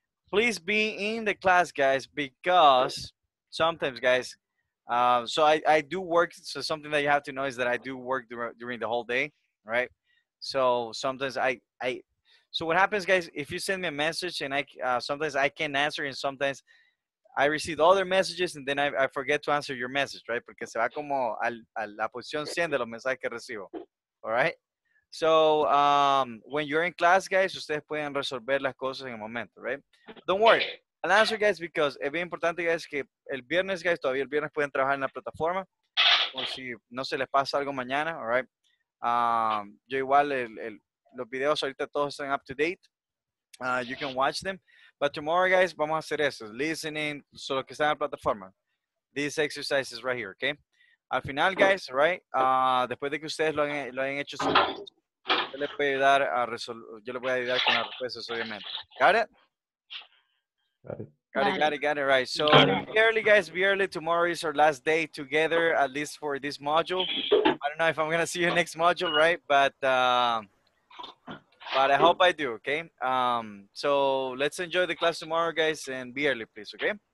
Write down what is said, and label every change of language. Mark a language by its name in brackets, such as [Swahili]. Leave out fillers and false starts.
[English] Please be in the class, guys, because sometimes, guys, so I do work. So something that you have to know is that I do work during the whole day, right? So sometimes so what happens, guys, if you send me a message and sometimes I can't answer and sometimes I received other messages and then I forget to answer your message, right? [Spanish] Porque se va como a la posición 100 de los mensajes que recibo, [English] all right? So, when you're in class, guys, [Spanish] ustedes pueden resolver las cosas en el momento, [English] right? Don't worry. I'll answer, guys, because [Spanish] es bien importante, guys, que el viernes, guys, todavía el viernes pueden trabajar en la plataforma o si no se les pasa algo mañana, [English] all right? [Spanish] Yo igual, los videos ahorita todos están [English] up to date. You can watch them. But tomorrow, guys, [Spanish] vamos a hacer eso. Listening, solo que está en la plataforma. [English] These exercises right here, okay? [Spanish] Al final, [English] guys, right? [Spanish] Después de que ustedes lo hayan hecho, yo les voy a ayudar con las respuestas, obviamente. [English] Got it, right. So, be early, guys, be early. Tomorrow is our last day together, at least for this module. I don't know if I'm going to see you next module, right? But I hope I do, okay? So let's enjoy the class tomorrow, guys, and be early, please, okay?